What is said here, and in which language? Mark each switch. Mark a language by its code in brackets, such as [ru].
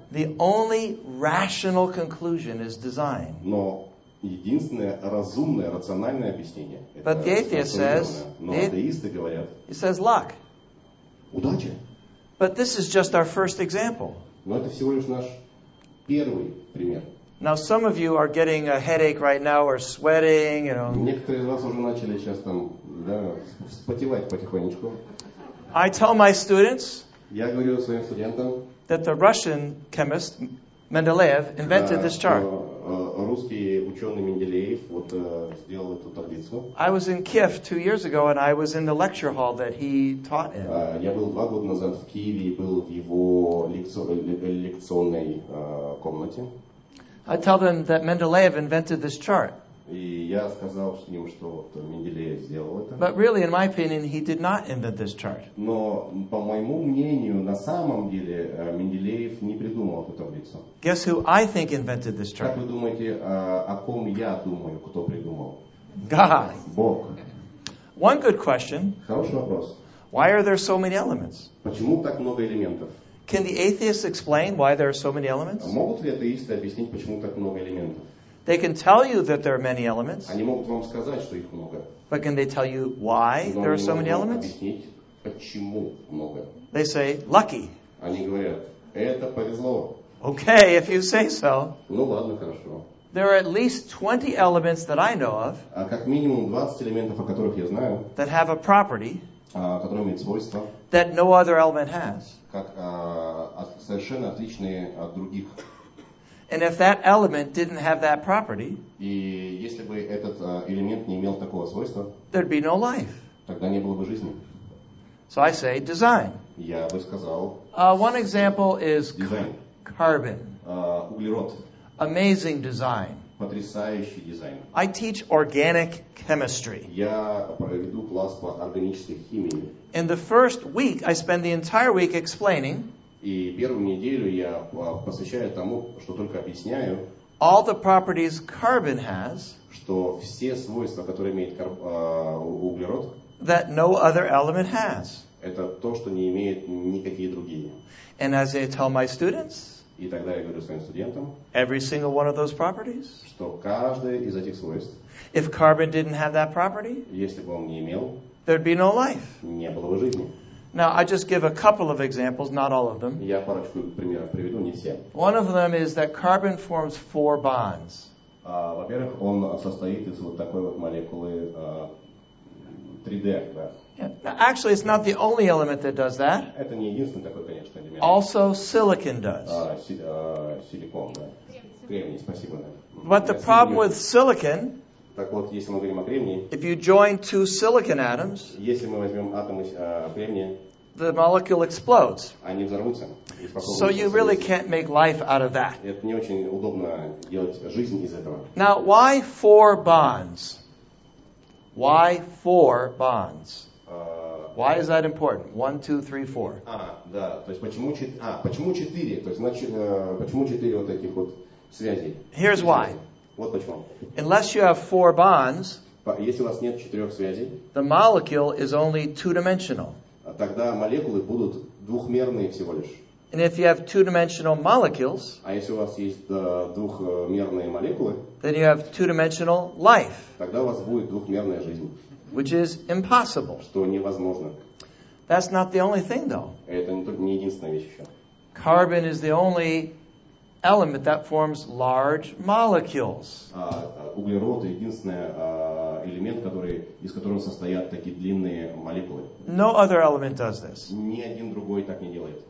[en] The only rational conclusion is design. [ru] Но единственное разумное, рациональное объяснение. [en] But the atheist says. [ru] Но атеисты говорят. [en] He says luck. [ru] Удача. [en] But this is just our first example. [ru] Но это всего лишь наш первый пример. [en] Now some of you are getting a headache right now or sweating, you know. [ru] Некоторые из вас уже начали сейчас там, да, вспотевать потихонечку. [en] I tell my students. [ru] Я говорю своим студентам. [en] That the Russian chemist Mendeleev invented this chart. [ru] Русский ученый Менделеев вот сделал эту таблицу. [en] I was in Kiev 2 years ago and I was in the lecture hall that he taught in. [ru] Я был 2 года назад в Киеве и был в его лекционной комнате. [en] I tell them that Mendeleev invented this chart. [ru] И я сказал с ним, что вот Менделеев сделал это. [en] But really, in my opinion, he did not invent this chart. [ru] Но по моему мнению, на самом деле Менделеев не придумал эту таблицу. [en] Guess who I think invented this chart? [ru] Как вы думаете, о ком я думаю, кто придумал? [en] God. [ru] Бог. [en] One good question. [ru] Хороший вопрос. [en] Why are there so many elements? [ru] Почему так много элементов? [en] Can the atheists explain why there are so many elements? [ru] Могут ли атеисты объяснить, почему так много элементов? [en] They can tell you that there are many elements. [ru] Они могут вам сказать, что их много. [en] But can they tell you why there are so many elements? [ru] Объяснить, почему много. [en] They say, lucky. [ru] Они говорят, это повезло. [en] Okay, if you say so. [ru] Ну ладно, хорошо. [en] There are at least 20 elements that I know of. [ru] А как минимум 20 элементов, о которых я знаю. [en] That have a property. [ru] Которые имеют свойства. [en] That no other element has. [ru] Как совершенно отличные от других. [en] And if that element didn't have that property, [ru] и если бы этот элемент не имел такого свойства, [en] there'd be no life. [ru] Тогда не было бы жизни. [en] So I say design. [ru] Я бы сказал. [en] One example is carbon. [ru] Углерод. [en] Amazing design. [ru] Потрясающий дизайн. [en] I teach organic chemistry. [ru] Я проведу класс по органической химии. [en] In the first week, I spend the entire week explaining. [ru] И первую неделю я посвящаю тому, что только объясняю. [en] All the properties carbon has. [ru] Что все свойства, которые имеет углерод. [en] That no other element has. [ru] Это то, что не имеет никакие другие. [en] And as I tell my students. [ru] И тогда я говорю своим студентам. [en] Every single one of those properties. [ru] Что каждое из этих свойств. [en] If carbon didn't have that property. [ru] Если бы он не имел. [en] There'd be no life. [ru] Не было бы жизни. [en] Now, I just give a couple of examples, not all of them. [ru] Я парочку примеров приведу, не все. [en] One of them is that carbon forms 4 bonds. [ru] Во-первых, он состоит из вот такой вот молекулы 3D. Да? [en] Yeah. Actually, it's not the only element that does that. [ru] Это не единственный такой, конечно, элемент. [en] Also, silicon does. [ru] Силикон, да. Кремний, спасибо. Да. [en] But the problem with silicon... [ru] Так вот, если мы говорим о кремнии, [en] if you join 2 silicon atoms, [ru] если мы возьмем атомы кремния, [en] the molecule explodes. [ru] Они взорвутся. [en] So you really can't make life out of that. [ru] Это не очень удобно делать жизнь из этого. [en] Now, why 4 bonds? Why 4 bonds? Why is that important? 1, 2, 3, 4. [ru] Да, то есть почему 4? Почему 4? То есть значит, почему 4 вот таких вот связей? [en] Here's why. [ru] Вот почему. [en] Unless you have 4 bonds, [ru] если у вас нет 4 связей, [en] the molecule is only 2-dimensional. [ru] Тогда молекулы будут двухмерные всего лишь. [en] And if you have 2-dimensional molecules, [ru] а если у вас есть двухмерные молекулы, [en] then you have 2-dimensional life. [ru] Тогда у вас будет двухмерная жизнь. [en] Which is impossible. [ru] Что невозможно. [en] That's not the only thing, though. [ru] Это не единственная вещь еще. [en] Carbon is the only element that forms large molecules. [ru] Углерод единственный элемент, который из которого состоят такие длинные молекулы. [en] No other element does this. [ru] Ни один другой так не делает.